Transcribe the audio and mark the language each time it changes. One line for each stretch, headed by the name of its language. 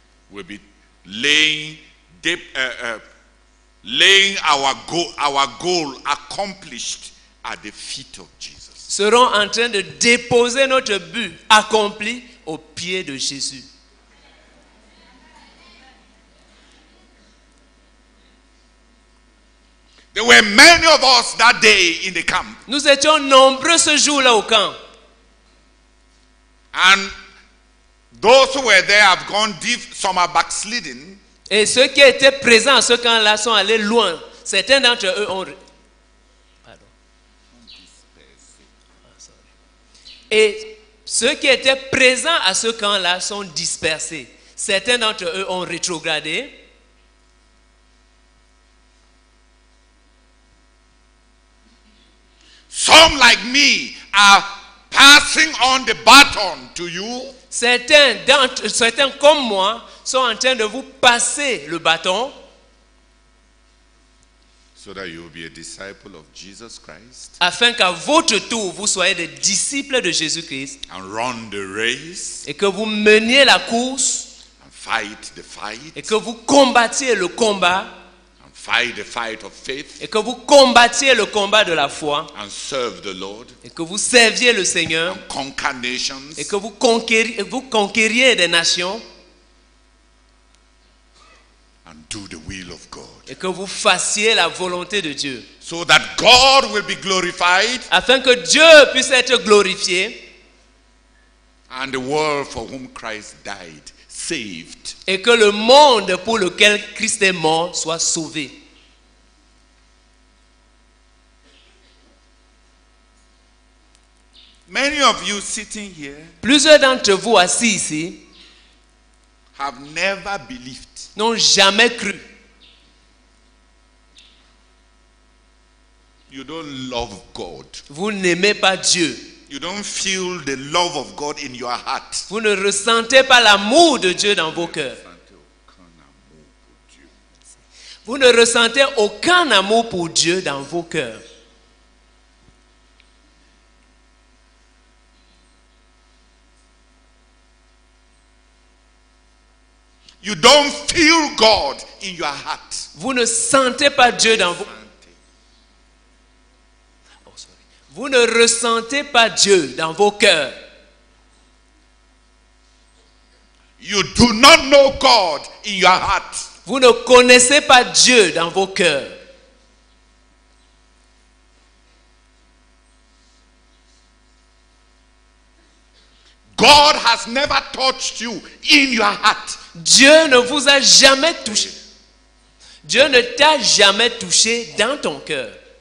English: will be laying our goal accomplished at the feet of Jesus.
French: Seront en train de déposer notre but accompli aux pieds de Jésus.
English: There were many of us that day in the camp.
French: Nous étions nombreux ce jour-là au camp.
English: And those who were there have gone deep, some are backsliding.
French: Et ceux qui étaient présents à ce camp-là sont allés loin. Certains d'entre eux ont... Pardon. Et ceux qui étaient présents à ce camp-là sont dispersés. Certains d'entre eux ont rétrogradé.
English: Some like me are passing on the baton to you.
French: Certains comme moi sont en train de vous passer le bâton.
English: So that you will be a disciple of Jesus Christ.
French: Afin qu'à votre tour, vous soyez des disciples de Jésus-Christ.
English: And run the race.
French: Et que vous meniez la course.
English: And fight the fight.
French: Et que vous combattiez le combat.
English: And fight the fight of faith.
French: Et que vous combattiez le combat de la foi.
English: And serve the Lord.
French: Et que vous serviez le Seigneur.
English: And conquer nations.
French: Et que vous conquériez des nations.
English: And do the will of God.
French: Et que vous fassiez la volonté de Dieu.
English: So that God will be glorified.
French: Afin que Dieu puisse être glorifié.
English: And the world for whom Christ died, saved.
French: Et que le monde pour lequel Christ est mort soit sauvé.
English: Many of you sitting here,
French: plusieurs d'entre vous assis ici,
English: have never believed.
French: N'ont jamais cru.
English: You don't love God.
French: Vous n'aimez pas Dieu.
English: You don't feel the love of God in your heart.
French: Vous ne ressentez pas l'amour de Dieu dans vos cœurs. Vous ne ressentez aucun amour pour Dieu dans vos cœurs.
English: You don't feel God in your heart.
French: Vous ne sentez pas Dieu dans vos cœurs. Vous ne ressentez pas Dieu dans vos cœurs.
English: You do not know God in your heart.
French: Vous ne connaissez pas Dieu dans vos cœurs.
English: God has never touched you in your heart.
French: Dieu ne vous a jamais touché. Dieu ne t'a jamais touché dans ton cœur.